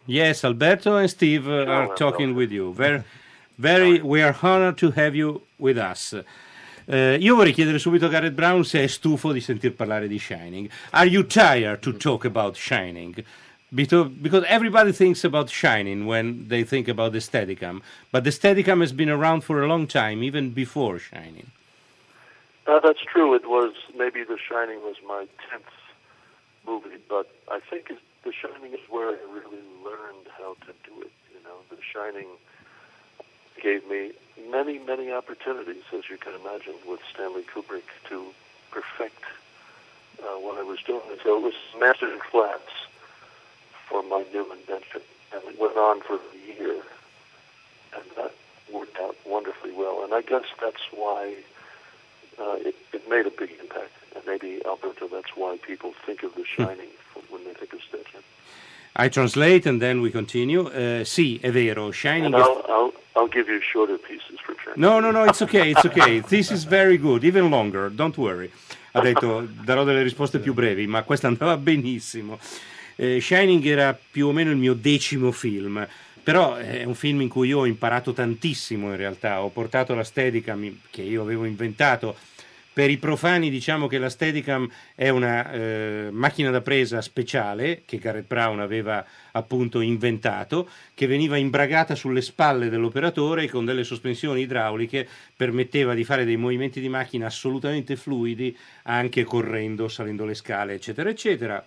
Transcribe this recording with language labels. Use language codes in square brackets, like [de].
[en] Yes, Alberto and Steve are talking with you. Very, we are honored to have you with us. [it] Io vorrei chiedere subito a Garrett Brown se è stufo di sentir parlare di Shining. [en] Are you tired to talk about Shining? Because everybody thinks about Shining when they think about the Steadicam, but the Steadicam has been around for a long time, even before Shining. That's true. It was maybe The Shining was my 10th movie, but I think The Shining is where I really learned how to do it. You know, The Shining gave me many, many opportunities, as you can imagine, with Stanley Kubrick to perfect what I was doing. So it was master class for my new invention, and it went on for a year, and that worked out wonderfully well. And I guess that's why it made a big impact, and maybe, Alberto, that's why people think of The Shining when they think of Stanley. I translate, and then we continue. [it] Sì, è vero, [en] Shining. I'll give you shorter pieces for Shining. No, it's okay. This is very good, even longer, don't worry. [it] Ha detto, darò delle risposte più brevi, ma questa andava benissimo. Shining era più o meno il mio decimo film, però è un film in cui io ho imparato tantissimo, in realtà. Ho portato la Steadicam, che io avevo inventato. Per i profani, diciamo che la Steadicam è una macchina da presa speciale che Garrett Brown aveva appunto inventato, che veniva imbragata sulle spalle dell'operatore con delle sospensioni idrauliche, permetteva di fare dei movimenti di macchina assolutamente fluidi, anche correndo, salendo le scale, eccetera, eccetera.